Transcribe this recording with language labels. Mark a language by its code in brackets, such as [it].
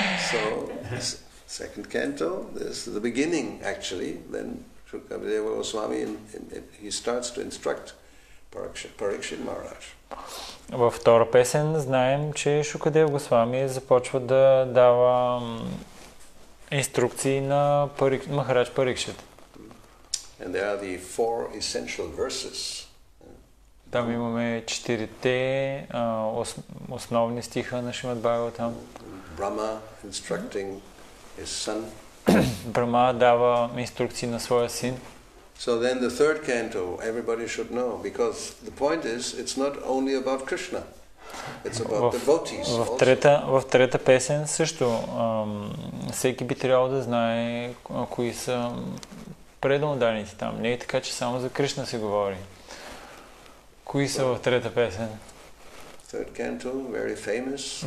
[en] So second canto, this is the beginning actually. Then Shukadeva Goswami he starts to instruct Parikshit Maharaj. [bg] Във втора песен знаем, че Шукадева Госвами започва да дава инструкции на Махарадж Парикшит. [en] And there are the four essential verses. [bg] Там имаме четирите основни стиха на Шримад Бхагаватам. [en] Brahma instructing his son. [bg] Брама дава инструкции на своя син. [en] So then the third canto everybody should know, because the point is it's not only about Krishna. It's about the devotees. [bg] В трета песен също всеки би трябвало да знае кои са предамодарените там. Не е така, че само за Кришна се говори. Кои са в трета песен? [en] Third canto, very famous.